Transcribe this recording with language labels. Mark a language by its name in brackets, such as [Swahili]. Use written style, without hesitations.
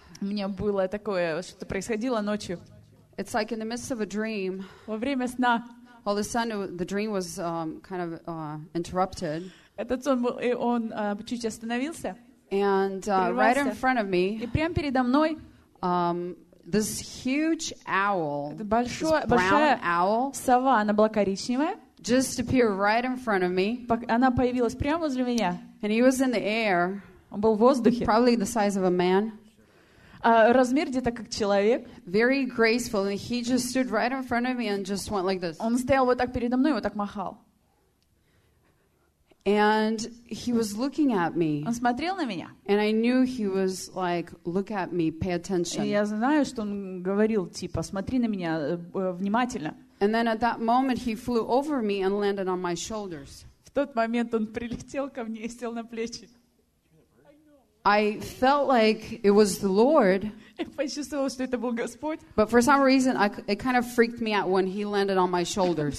[Russian] У меня было такое, что-то происходило ночью. [English] It's like in the midst of a dream. [Russian] Во время сна. [English] All of a sudden, the dream was kind of interrupted. [Russian] Этот сон был, и он чуть остановился. [English] And right in front of me. [Russian] И прямо передо мной. [English] This huge owl. [Russian] Это большое, большая [English] owl. [Russian] Сова, она была коричневая. [English] Just appeared right in front of me. [Russian] Она появилась прямо возле меня. [English] And he was in the air. [Russian] Он был в воздухе. [English] Probably the size of a man. [Russian] Размер где-то как человек. [English] Very graceful, and he just stood right in front of me and just went like this. [Russian] Он стоял вот так передо мной, вот так махал. [English] And he was looking at me. [Russian] Он смотрел на меня. [English] And I knew he was like, look at me, pay attention. [Russian] И я знаю, что он говорил типа, смотри на меня внимательно. [English] And then at that moment he flew over me and landed on my shoulders. [Russian] В тот момент он прилетел ко мне и сел на плечи. [English] I felt like it was the Lord. But for some reason, it kind of freaked me out when he landed on my shoulders.